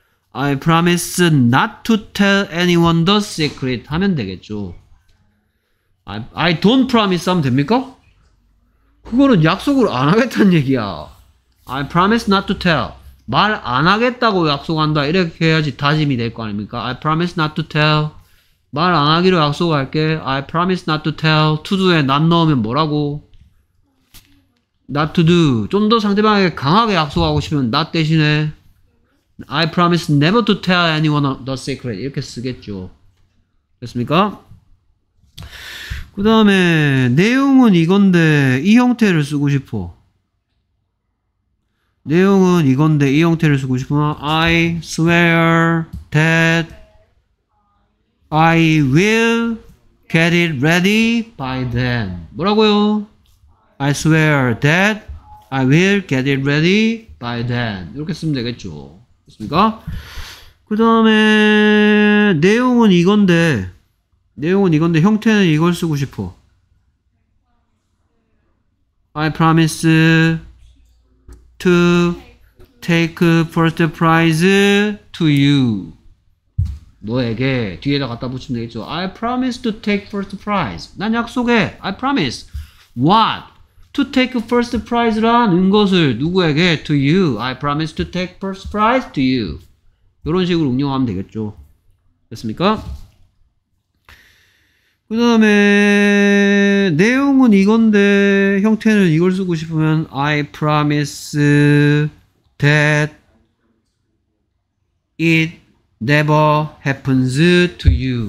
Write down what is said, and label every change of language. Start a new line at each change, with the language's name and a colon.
English: I promise not to tell anyone the secret
Korean: 하면 되겠죠.
English: I don't promise
Korean: 하면 됩니까? 그거는 약속을 안 하겠다는 얘기야.
English: I promise not to tell.
Korean: 말 안 하겠다고 약속한다. 이렇게 해야지 다짐이 될 거 아닙니까?
English: I promise not to tell.
Korean: 말 안 하기로 약속할게.
English: I promise not to tell. To do에 not
Korean: 넣으면 뭐라고?
English: Not to do.
Korean: 좀 더 상대방에게 강하게 약속하고 싶으면 not 대신에
English: I promise never to tell anyone the secret.
Korean: 이렇게 쓰겠죠. 됐습니까? 그 다음에 내용은 이건데 이 형태를 쓰고 싶어. 내용은 이건데 이 형태를 쓰고 싶으면
English: I swear that I will get it ready by then.
Korean: 뭐라고요?
English: I swear that I will get it ready by then.
Korean: 이렇게 쓰면 되겠죠. 됐습니까? 그 다음에 내용은 이건데 내용은 이건데 형태는 이걸 쓰고 싶어.
English: I promise to take first prize to you.
Korean: 너에게 뒤에다 갖다 붙이면 되겠죠.
English: I promise to take first prize.
Korean: 난 약속해.
English: I promise. What? To take first prize라는
Korean: 것을 누구에게?
English: To you. I promise to take first prize to you.
Korean: 이런 식으로 응용하면 되겠죠. 됐습니까? 그 다음에 내용은 이건데 형태는 이걸 쓰고 싶으면
English: I promise that it never happens to you.